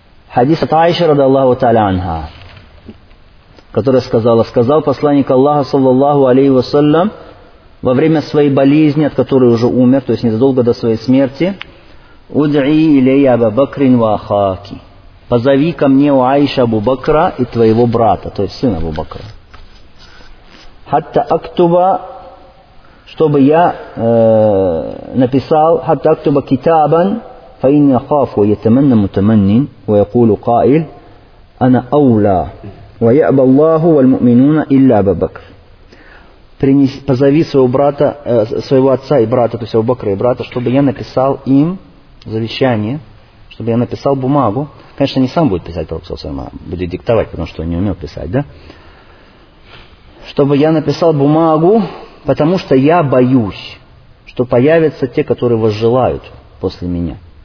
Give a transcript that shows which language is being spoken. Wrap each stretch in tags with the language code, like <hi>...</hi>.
<ru>Хадис от Аиши ради Аллаху Тааля анха, которая сказала, сказал посланник Аллаха, саллаллаху алейхи вассалям, во время своей болезни, от которой уже умер, то есть незадолго до своей смерти,</ru> <ar>«Уд'и илейя Абу Бакрин ва Ахаки».</ar> <ru>«Позови ко мне у Аиши Абу Бакра и твоего брата», то есть сына Абу Бакра.</ru> <ar>«Хатта актуба»,</ar> <ru>чтобы я написал,</ru> <ar>«Хатта актуба китабан», فإني أخاف ويتمنى متمن ويقول قائل أنا أولى ويأبى الله والمؤمنون إلا أبا بكر.</ar> <ru>Позови своего брата, своего отца и брата, то есть Абу Бакра и брата, чтобы я написал им завещание, чтобы я написал бумагу. Конечно, не сам будет писать, а будет диктовать, потому что он не умел писать, да? Чтобы я написал бумагу, потому что я боюсь, что появятся те, которые возжелают после меня.</ru>